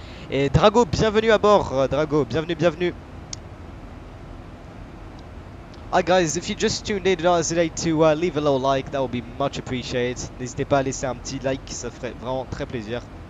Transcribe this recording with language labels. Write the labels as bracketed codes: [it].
[fr] Et Drago, bienvenue à bord, Drago, bienvenue, bienvenue. [en] Hi guys, if you just tuned in today to leave a little like, that would be much appreciated. [fr] N'hésitez pas à laisser un petit like, ça ferait vraiment très plaisir.